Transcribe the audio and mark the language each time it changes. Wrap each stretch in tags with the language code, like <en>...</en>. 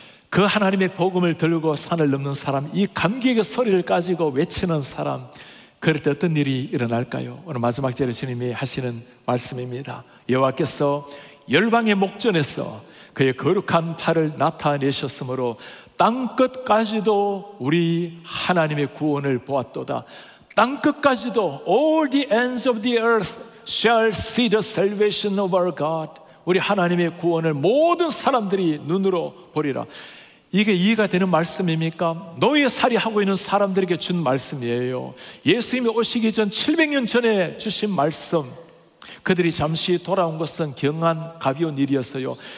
<ko>그 하나님의 복음을 들고 산을 넘는 사람, 이 감격의 소리를 가지고 외치는 사람, 그럴 때 어떤 일이 일어날까요? 오늘 마지막 절에 주님이 하시는 말씀입니다. 여호와께서 열방의 목전에서 그의 거룩한 팔을 나타내셨으므로 땅끝까지도 우리 하나님의 구원을 보았도다. 땅끝까지도</ko> <en>all the ends of the earth shall see the salvation of our God.</en> <ko>우리 하나님의 구원을 모든 사람들이 눈으로 보리라. 이게 이해가 되는 말씀입니까? 노예살이 하고 있는 사람들에게 준 말씀이에요. 예수님이 오시기 전 700년 전에 주신 말씀. 그들이 잠시 돌아온 것은 경한 가벼운 일이었어요.</ko>